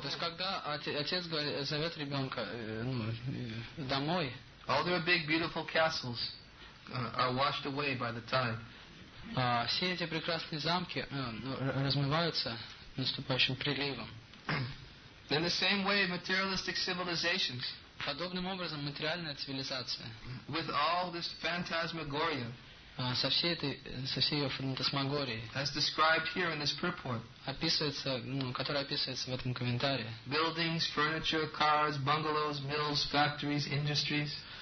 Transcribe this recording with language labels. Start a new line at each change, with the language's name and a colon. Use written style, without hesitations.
Russian: То есть когда отец зовет ребенка домой.
English: All their big beautiful castles are washed away by the tide.
Russian: Все эти прекрасные замки размываются наступающим приливом.
English: In the same way, materialistic civilizations.
Russian: Подобным образом материальная цивилизация.
English: With all this phantasmagoria.
Russian: Со всей ее фантасмагорией.
English: As described here in this purport.
Russian: Описывается, которая описывается в этом комментарии.
English: Buildings, furniture, cars, bungalows, mills, factories, industries.